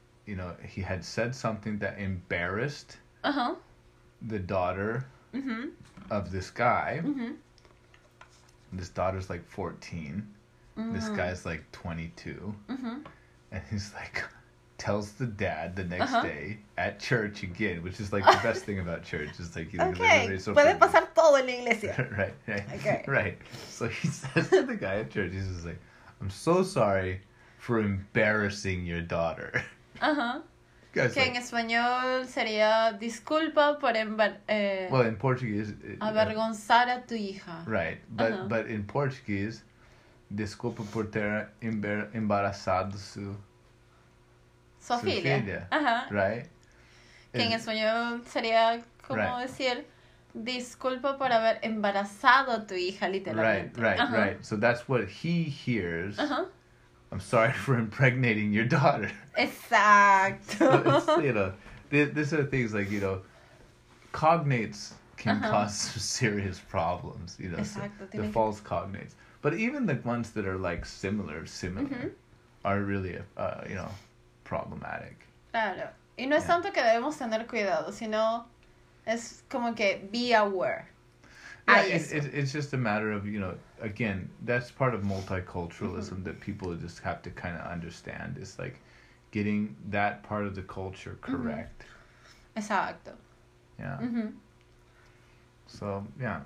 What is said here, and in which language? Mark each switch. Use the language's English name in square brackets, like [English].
[English] you know, he had said something that embarrassed the daughter of this guy. This daughter's like 14. This guy's like 22. And he's like, tells the dad the next day at church again, which is like the best thing about church. It's like, you know, okay, everybody's so [Spanish] puede pasar todo en la iglesia. [English] Right. So he says to the guy at church, he's just like, I'm so sorry for embarrassing your daughter. [Spanish] Que like, en español sería disculpa por [English] well, in Portuguese [Spanish] avergonzar a tu hija. [English] Right. But but in Portuguese [Portuguese] desculpa por ter embarazado su filha. [English] Right? [Spanish] Que en español sería como decir disculpa por haber embarazado a tu hija literalmente. [English] Right. So that's what he hears. I'm sorry for impregnating your daughter. [Spanish] Exacto. [English] So you know, these are things like, you know, cognates can cause some serious problems, you know. [Spanish] Exacto. [English] So the false cognates. But even the ones that are like similar are really, you know, problematic. [Spanish] Claro. Y no es tanto que debemos tener cuidado, sino es como que [English] be aware. It's just a matter of, you know, again, that's part of multiculturalism that people just have to kind of understand. It's like getting that part of the culture correct. [Spanish] Exacto. [English] Yeah. Mm-hmm. So, yeah.